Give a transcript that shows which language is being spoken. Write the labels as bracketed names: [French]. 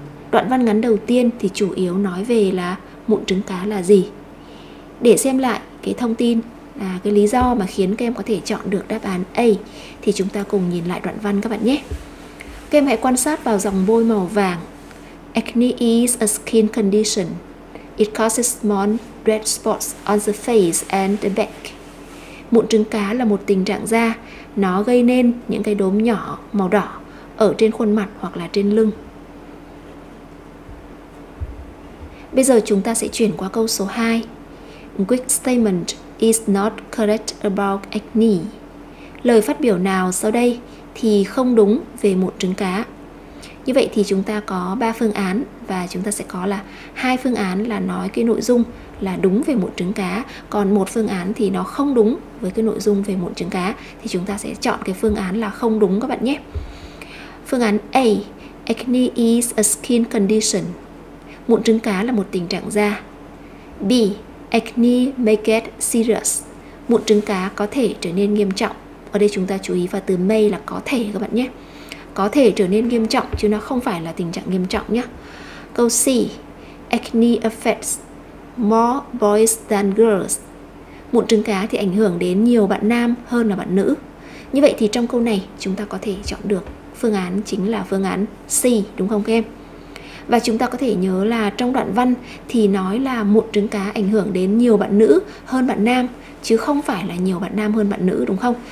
[Vietnamese] Đoạn văn ngắn đầu tiên thì chủ yếu nói về là mụn trứng cá là gì. Để xem lại cái thông tin, cái lý do mà khiến các em có thể chọn được đáp án A, thì chúng ta cùng nhìn lại đoạn văn các bạn nhé. Các em hãy quan sát vào dòng bôi màu vàng. [English] Acne is a skin condition. It causes small red spots on the face and the back. [Vietnamese] Mụn trứng cá là một tình trạng da. Nó gây nên những cái đốm nhỏ màu đỏ ở trên khuôn mặt hoặc là trên lưng. Bây giờ chúng ta sẽ chuyển qua câu số 2. [English] Quick statement is not correct about acne. [Vietnamese] Lời phát biểu nào sau đây thì không đúng về mụn trứng cá? Như vậy thì chúng ta có 3 phương án và chúng ta sẽ có là 2 phương án là nói cái nội dung là đúng về mụn trứng cá, còn 1 phương án thì nó không đúng với cái nội dung về mụn trứng cá, thì chúng ta sẽ chọn cái phương án là không đúng các bạn nhé. Phương án A, [English] acne is a skin condition. [Vietnamese] Mụn trứng cá là một tình trạng da. B, [English] acne may get serious. [Vietnamese] Mụn trứng cá có thể trở nên nghiêm trọng. Ở đây chúng ta chú ý vào từ may là có thể các bạn nhé. Có thể trở nên nghiêm trọng chứ nó không phải là tình trạng nghiêm trọng nhé. Câu C, [English] acne affects more boys than girls. [Vietnamese] Mụn trứng cá thì ảnh hưởng đến nhiều bạn nam hơn là bạn nữ. Như vậy thì trong câu này chúng ta có thể chọn được phương án chính là phương án C, đúng không các em? Và chúng ta có thể nhớ là trong đoạn văn thì nói là mụn trứng cá ảnh hưởng đến nhiều bạn nữ hơn bạn nam, chứ không phải là nhiều bạn nam hơn bạn nữ, đúng không?